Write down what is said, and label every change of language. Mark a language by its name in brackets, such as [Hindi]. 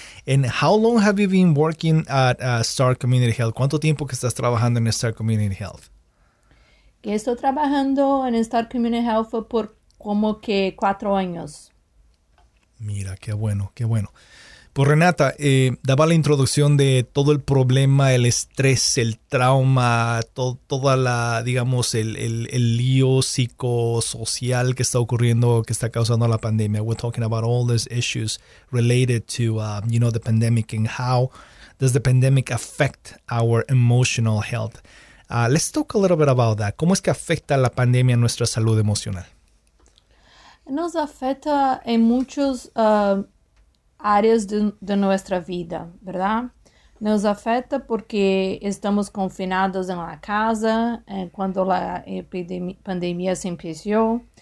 [English] And how long have you been working at Star Community Health? [Spanish] ¿Cuánto tiempo que estás trabajando en Star Community Health? Que estoy trabajando en Star Community Health por como que 4 años. Mira, qué bueno, qué bueno. Pues Renata, daba la introducción de todo el problema, el estrés, el trauma, toda la, digamos, el lío psicosocial que está ocurriendo, que está causando la pandemia. [English] We're talking about all these issues related to, you know, the pandemic and how does the pandemic affect our emotional health. Let's talk a little bit about that. [Spanish] ¿Cómo es que afecta la pandemia a nuestra salud emocional? Nos afecta en muchos áreas de nuestra vida, ¿verdad? Nos afecta porque estamos confinados en la casa cuando la pandemia se empezó.